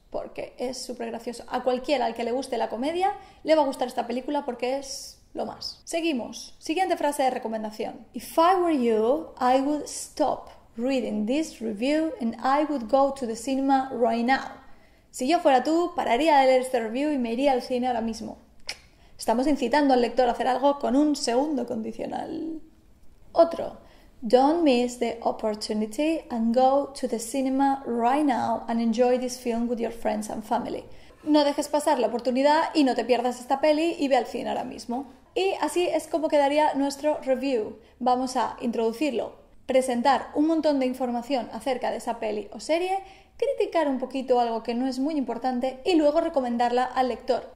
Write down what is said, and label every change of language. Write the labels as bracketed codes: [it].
[es] Porque es súper gracioso. A cualquiera al que le guste la comedia, le va a gustar esta película porque es lo más. Seguimos. Siguiente frase de recomendación. [en] If I were you, I would stop reading this review and I would go to the cinema right now. [es] Si yo fuera tú, pararía de leer este review y me iría al cine ahora mismo. Estamos incitando al lector a hacer algo con un segundo condicional. Otro. [en] Don't miss the opportunity and go to the cinema right now and enjoy this film with your friends and family. [es] No dejes pasar la oportunidad y no te pierdas esta peli y ve al cine ahora mismo. Y así es como quedaría nuestro review. Vamos a introducirlo, presentar un montón de información acerca de esa peli o serie, criticar un poquito algo que no es muy importante y luego recomendarla al lector.